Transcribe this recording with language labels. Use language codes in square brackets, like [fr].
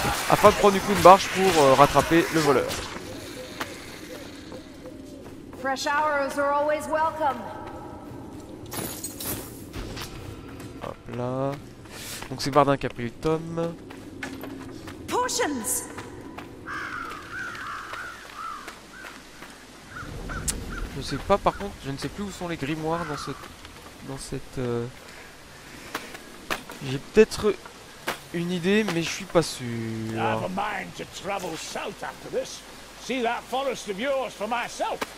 [fr] Afin de prendre du coup une barge pour rattraper le voleur. [en] Fresh arrows are always welcome. [fr] Hop là. Donc c'est Bardin qui a pris le tome. Potions. Je sais pas par contre, je ne sais plus où sont les grimoires dans cette. J'ai peut-être une idée, mais je suis pas sûr. [en] I have a mind to travel south after this. See that forest of yours for myself.